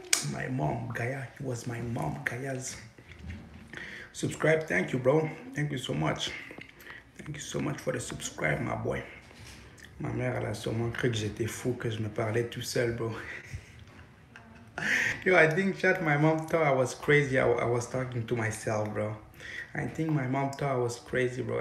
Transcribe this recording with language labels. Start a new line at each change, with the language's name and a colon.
English: My mom, Gaia. He was my mom, Gaia's. Subscribe. Thank you, bro. Thank you so much. Thank you so much for the subscribe, my boy.
French: Ma mère, elle a sûrement cru que j'étais fou, que je me parlais tout seul, bro.
English: Yo, I think, chat, my mom thought I was crazy. I was talking to myself, bro. I think my mom thought I was crazy, bro.